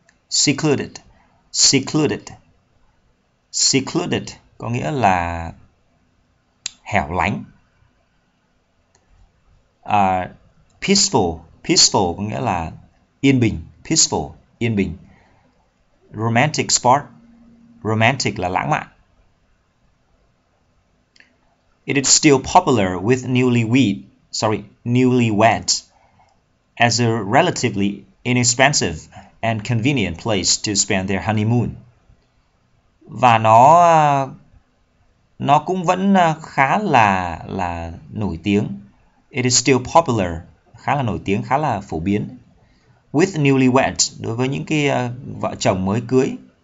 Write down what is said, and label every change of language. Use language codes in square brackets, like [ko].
[vi] Secluded, secluded, secluded có nghĩa là hẻo lánh. Peaceful, peaceful có nghĩa là yên bình, peaceful, yên bình. Romantic spot, romantic là lãng mạn. [en] It is still popular with newlyweds as a relatively inexpensive and convenient place to spend their honeymoon. [vi] Và nó cũng vẫn khá là nổi tiếng. It is still popular, khá là nổi tiếng, khá là phổ biến. With newlyweds, đối với những cái vợ chồng mới cưới.